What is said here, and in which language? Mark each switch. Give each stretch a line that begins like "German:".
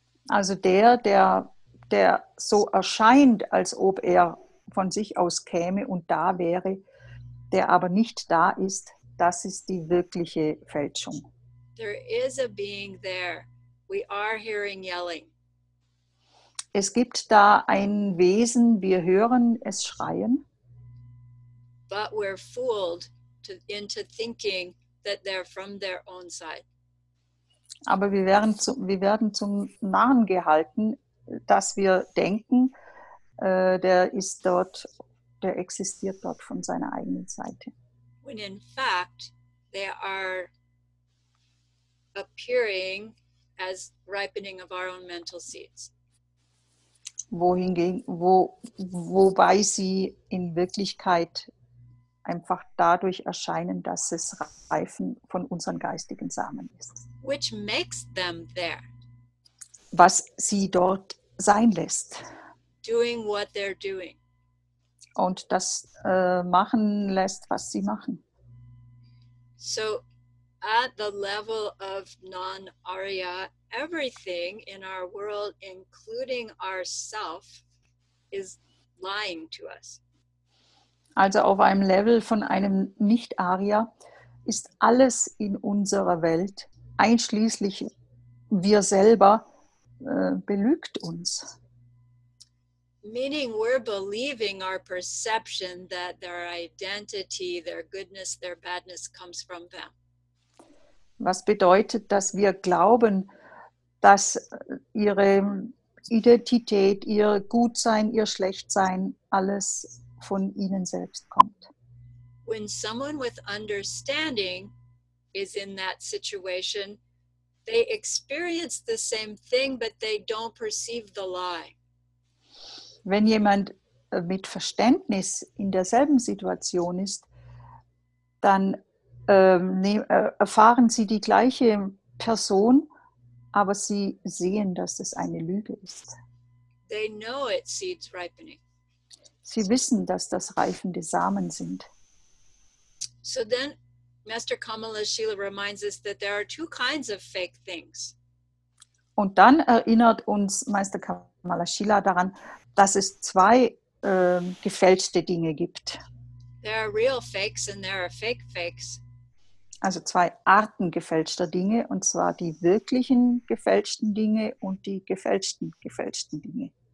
German: Also der so erscheint, als ob er von sich aus käme und da wäre, der aber nicht da ist, das ist die wirkliche Fälschung.
English: There is a being there. We are hearing yelling.
German: Es gibt da ein Wesen, wir hören es schreien.
English: But we're fooled into thinking that they're from their own side.
German: Aber wir werden zum Narren gehalten, dass wir denken, der existiert dort von seiner eigenen Seite.
English: When in fact they are appearing as ripening of our own mental seeds.
German: Wobei sie in Wirklichkeit einfach dadurch erscheinen, dass es Reifen von unseren geistigen Samen ist.
English: Which makes them there.
German: Was sie dort sein lässt.
English: Doing what they're doing.
German: Und das machen lässt, was sie machen.
English: So, at the level of non-Arya, everything in our world, including ourself, is lying to us.
German: Also auf einem Level von einem Nicht-Arya ist alles in unserer Welt, einschließlich wir selber, belügt uns.
English: Meaning we're believing our perception that their identity, their goodness, their badness comes from them.
German: Was bedeutet, dass wir glauben, dass ihre Identität, ihr Gutsein, ihr Schlechtsein, alles von ihnen selbst kommt.
English: When someone with understanding is in that situation, they experience the same thing, but they don't perceive the lie.
German: Wenn jemand mit Verständnis in derselben Situation ist, dann erfahren sie die gleiche Person, aber sie sehen, dass es eine Lüge ist.
English: They know it seeds ripening.
German: Sie wissen, dass das reifende Samen sind.
English: So then, Master Kamala Shila reminds us that there are two kinds of fake things.
German: Und dann erinnert uns Meister Kamala Shila daran, dass es zwei gefälschte Dinge gibt.
English: There are real fakes and there are fake fakes.
German: Also zwei Arten gefälschter Dinge, und zwar die wirklichen gefälschten Dinge und die gefälschten Dinge.